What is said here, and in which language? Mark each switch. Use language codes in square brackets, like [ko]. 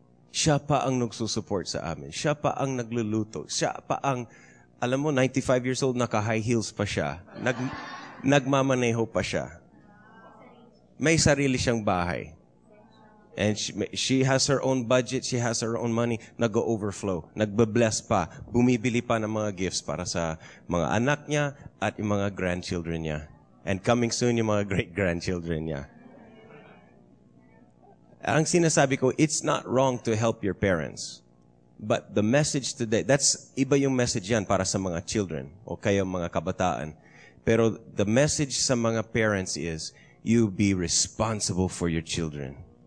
[tl] Siya pa ang nagsusupport sa amin. Siya pa ang nagluluto. Siya pa ang, alam mo, 95 years old, naka-high heels pa siya. Nagmamaneho pa siya. May sarili siyang bahay. [en] And she has her own budget. She has her own money. [tl] Nag-overflow. Nagbe-bless pa. Bumibili pa ng mga gifts para sa mga anak niya at yung mga grandchildren niya. [en] And coming soon, yung mga great-grandchildren niya. [tl] Ang sinasabi ko, [en] it's not wrong to help your parents. [tl] But the message today, that's iba yung message yan para sa mga children o kayo mga kabataan. [en] Pero the message sa mga parents is, you be responsible for your children.